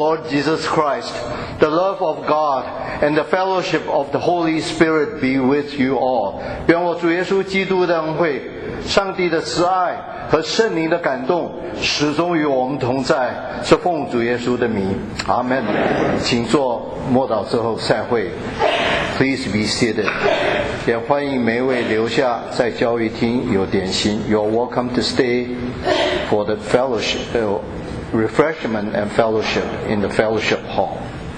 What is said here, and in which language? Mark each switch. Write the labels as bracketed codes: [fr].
[en] Jesus Christ, the love of God, and the fellowship of the Holy Spirit be with you all. [zh] 愿我主耶稣基督的恩惠，上帝的慈爱和圣灵的感动，始终与我们同在。是奉主耶稣的名， Amen. 请坐，默祷之后散会。 [en] Please be seated. [zh] 也欢迎每位留下在教会厅有点心。 [en] You're welcome to stay for the fellowship. Refreshment and fellowship in the fellowship hall.